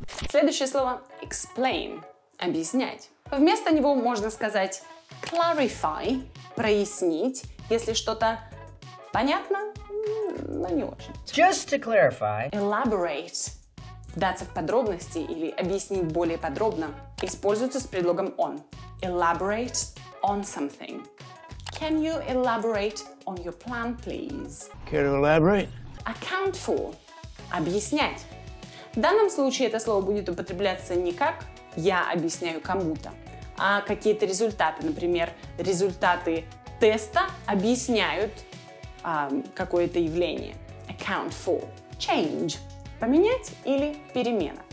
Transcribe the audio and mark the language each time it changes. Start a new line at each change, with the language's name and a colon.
Russian: Следующее слово – explain – объяснять. Вместо него можно сказать clarify – прояснить, если что-то понятно, но не очень.
English: Just to clarify.
Russian: Elaborate – вдаться в подробности или объяснить более подробно используется с предлогом on.
English: Elaborate on something. Can you elaborate on your plan, please? Can you elaborate? Account for. Объяснять.
Russian: В данном случае это слово будет употребляться не как «я объясняю кому-то», а какие-то результаты. Например, результаты теста объясняют какое-то явление. Account for. Change. Поменять или перемена.